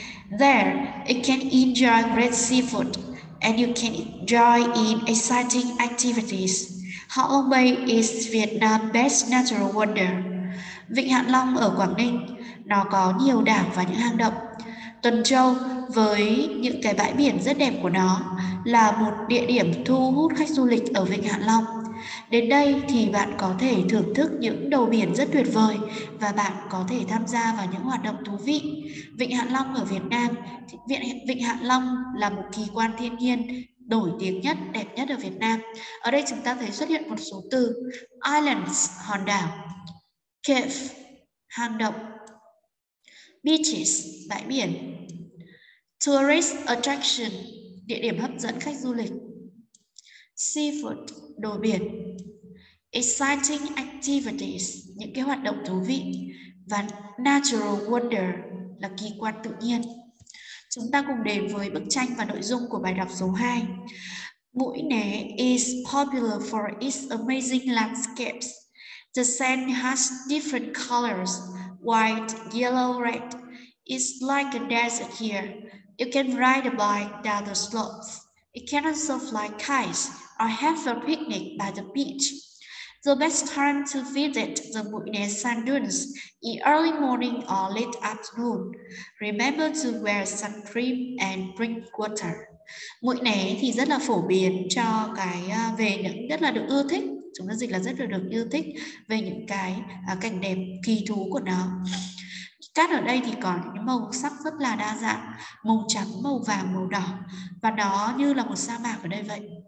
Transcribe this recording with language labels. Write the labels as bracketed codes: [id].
[en] There, it can enjoy great seafood and you can enjoy in exciting activities. Hạ Long Bay is Vietnam's best natural wonder. [vi] Vịnh Hạ Long ở Quảng Ninh, nó có nhiều đảo và những hang động. Tuần Châu với những cái bãi biển rất đẹp của nó là một địa điểm thu hút khách du lịch ở Vịnh Hạ Long. Đến đây thì bạn có thể thưởng thức những đầu biển rất tuyệt vời và bạn có thể tham gia vào những hoạt động thú vị. Vịnh Hạ Long ở Việt Nam, Vịnh Hạ Long là một kỳ quan thiên nhiên nổi tiếng nhất, đẹp nhất ở Việt Nam. Ở đây chúng ta thấy xuất hiện một số từ: islands, hòn đảo; cave, hang động; beaches, bãi biển; tourist attraction, địa điểm hấp dẫn khách du lịch; seafood, đồ biển; exciting activities, những cái hoạt động thú vị; và natural wonder là kỳ quan tự nhiên. Chúng ta cùng đến với bức tranh và nội dung của bài đọc số 2. [en] Mũi Né is popular for its amazing landscapes. The sand has different colors, white, yellow, red. It's like a desert here. You can ride a bike down the slopes. It can also fly kites or have a picnic by the beach. The best time to visit the Mũi Né sand dunes is early morning or late afternoon. Remember to wear sun cream and drink water. [vi] Mũi né thì rất là phổ biến cho cái về những rất là được ưa thích, chúng ta dịch là rất là được ưa thích về những cái cảnh đẹp kỳ thú của nó. Cát ở đây thì có những màu sắc rất là đa dạng, màu trắng, màu vàng, màu đỏ, và đó như là một sa mạc ở đây vậy.